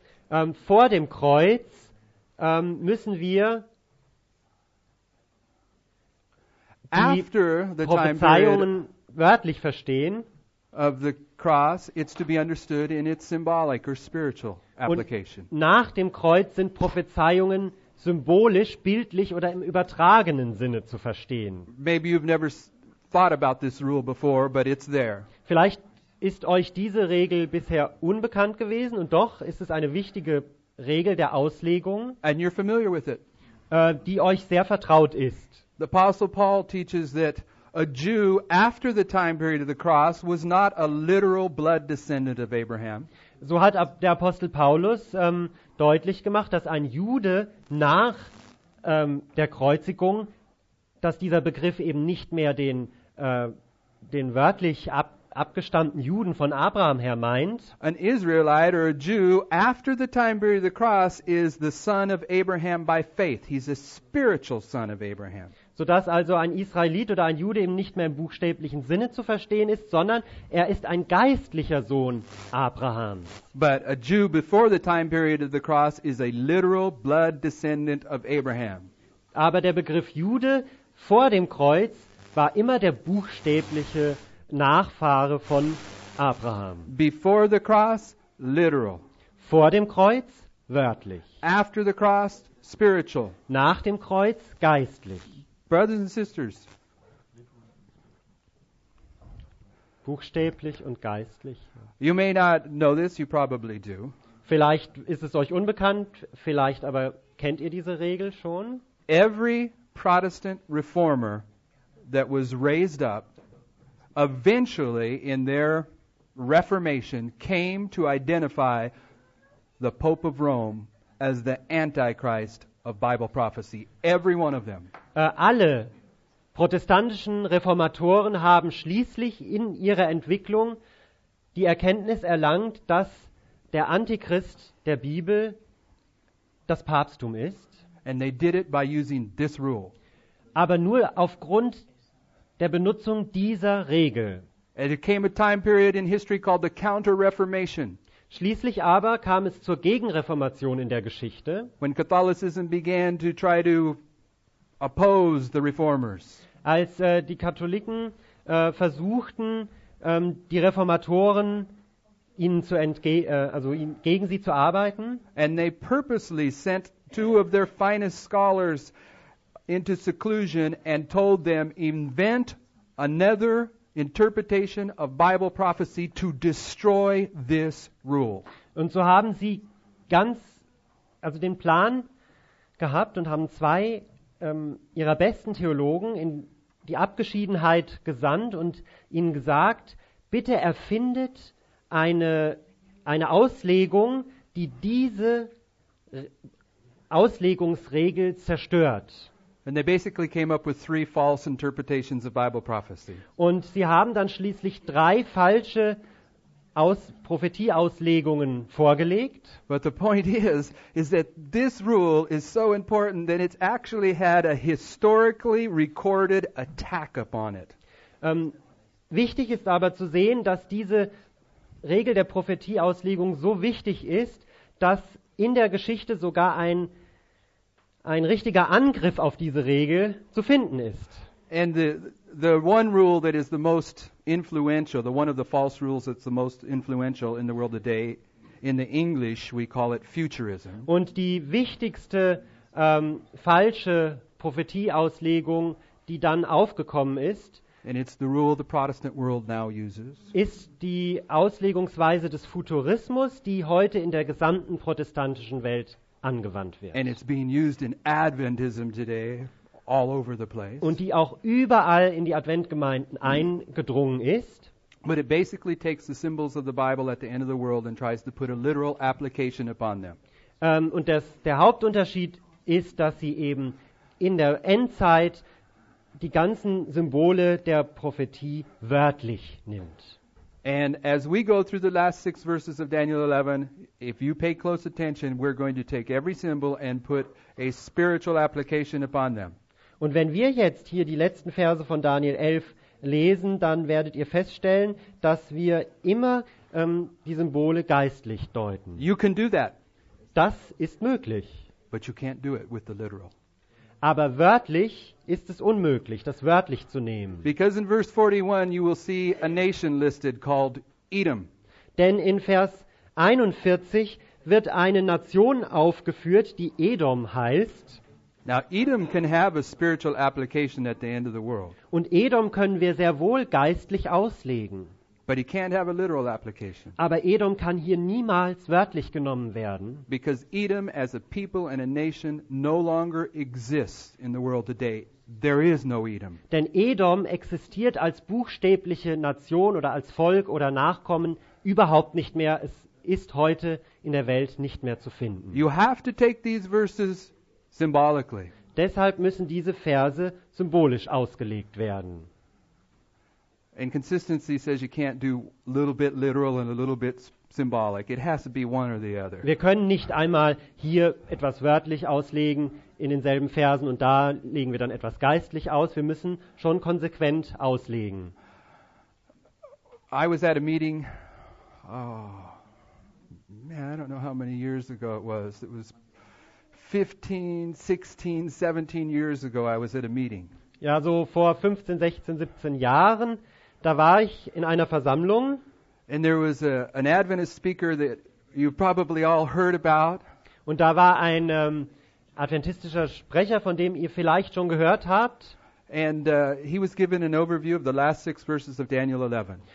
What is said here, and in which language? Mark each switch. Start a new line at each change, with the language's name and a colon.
German: Vor dem Kreuz müssen wir
English: after the time
German: Prophezeiungen wörtlich verstehen.
English: Of the cross, it's to be understood in its symbolic or spiritual application.
German: Und nach dem Kreuz sind Prophezeiungen symbolisch, bildlich oder im übertragenen Sinne zu verstehen.
English: Maybe you've never thought about this rule before, but it's there.
German: Vielleicht ist euch diese Regel bisher unbekannt gewesen und doch ist es eine wichtige Regel der Auslegung,
English: and you're familiar with it.
German: Die euch sehr vertraut ist.
English: The Apostle Paul teaches that a Jew after the time period of the cross was not a literal blood descendant of Abraham.
German: So hat der Apostel Paulus deutlich gemacht, dass ein Jude nach der Kreuzigung, dass dieser Begriff eben nicht mehr den wörtlich abgestammten Juden von Abraham her meint.
English: An Israelite or a Jew after the time period of the cross is the son of Abraham by faith. He's a spiritual son of Abraham.
German: Sodass also ein Israelit oder ein Jude eben nicht mehr im buchstäblichen Sinne zu verstehen ist, sondern er ist ein geistlicher Sohn Abrahams.
English: But a Jew before the time period of the cross is a literal blood descendant of Abraham.
German: Aber der Begriff Jude vor dem Kreuz war immer der buchstäbliche Nachfahre von Abraham.
English: Before the cross, literal.
German: Vor dem Kreuz, wörtlich.
English: After the cross, spiritual.
German: Nach dem Kreuz, geistlich.
English: Brothers and sisters.
German: Buchstäblich und geistlich.
English: You may not know this, you probably do.
German: Vielleicht ist es euch unbekannt, vielleicht aber kennt ihr diese Regel schon.
English: Every Protestant reformer that was raised up eventually in their reformation came to identify the Pope of Rome as the Antichrist of Bible prophecy. Every one of them.
German: Alle protestantischen Reformatoren haben schließlich in ihrer Entwicklung die Erkenntnis erlangt, dass der Antichrist der Bibel das Papsttum ist.
English: And they did it by using this rule.
German: Aber nur aufgrund der Benutzung dieser Regel.
English: And it came a time period in history called the Counter-Reformation.
German: Schließlich aber kam es zur Gegenreformation in der Geschichte.
English: When Catholicism began to try to oppose the reformers.
German: Als die Katholiken versuchten, die Reformatoren ihnen zu gegen sie zu arbeiten.
English: And they purposely sent two of their finest scholars into seclusion and told them, invent another interpretation of Bible prophecy to destroy this rule.
German: Und so haben sie ganz, also den Plan gehabt und haben zwei ihrer besten Theologen in die Abgeschiedenheit gesandt und ihnen gesagt, bitte erfindet eine Auslegung, die diese Auslegungsregel zerstört.
English: And they basically came up with three false interpretations of Bible prophecy.
German: Und sie haben dann schließlich drei falsche Prophetieauslegungen vorgelegt.
English: But the point is that this rule is so important that it's actually had a historically recorded attack upon it.
German: Wichtig ist aber zu sehen, dass diese Regel der Prophetieauslegung so wichtig ist, dass in der Geschichte sogar ein richtiger Angriff auf diese Regel zu finden ist.
English: And the one rule that is the most influential, the one of the false rules that's the most influential in the world today, in the English we call it futurism.
German: Und die wichtigste falsche Prophetieauslegung, die dann aufgekommen ist,
English: and it's the rule the Protestant world now uses,
German: ist die Auslegungsweise des Futurismus, die heute in der gesamten protestantischen Welt angewandt wird.
English: And it's being used in Adventism today, all over the place.
German: Und die auch überall in die Adventgemeinden eingedrungen ist.
English: But it basically takes the symbols of the Bible at the end of the world and tries to put a literal application upon them.
German: Und der Hauptunterschied ist, dass sie eben in der Endzeit die ganzen Symbole der Prophetie wörtlich nimmt.
English: And as we go through the last six verses of Daniel 11, if you pay close attention, we're going to take every symbol and put a spiritual application upon them.
German: Und wenn wir jetzt hier die letzten Verse von Daniel 11 lesen, dann werdet ihr feststellen, dass wir immer die Symbole geistlich deuten.
English: You can do that.
German: Das ist möglich.
English: But you can't do it with the literal.
German: Aber wörtlich ist es unmöglich, das wörtlich zu nehmen.
English: Because in verse 41 you will see a nation listed called Edom.
German: Denn in Vers 41 wird eine Nation aufgeführt, die Edom heißt.
English: Now Edom can have a spiritual application at the end of the world.
German: Und Edom können wir sehr wohl geistlich auslegen.
English: But he can't have a literal application.
German: Aber Edom kann hier niemals wörtlich genommen werden.
English: Because Edom as a people and a nation no longer exists in the world today. There is no Edom.
German: Denn Edom existiert als buchstäbliche Nation oder als Volk oder Nachkommen überhaupt nicht mehr. Es ist heute in der Welt nicht mehr zu finden.
English: You have to take these verses symbolically.
German: Deshalb müssen diese Verse symbolisch ausgelegt werden.
English: And consistency says you can't do a little bit literal and a little bit symbolic. It has to be one or the other.
German: Wir können nicht einmal hier etwas wörtlich auslegen in denselben Versen und da legen wir dann etwas geistlich aus. Wir müssen schon konsequent auslegen.
English: I was at a meeting, I don't know how many years ago it was. It was 15, 16, 17 years ago I was at a meeting.
German: Ja, so vor 15, 16, 17 Jahren. Da war ich in einer Versammlung.
English: And there was an Adventist speaker that you probably all heard about.
German: Und da war ein adventistischer Sprecher, von dem ihr vielleicht schon gehört habt.
English: And he was given an overview of the last six verses of Daniel 11.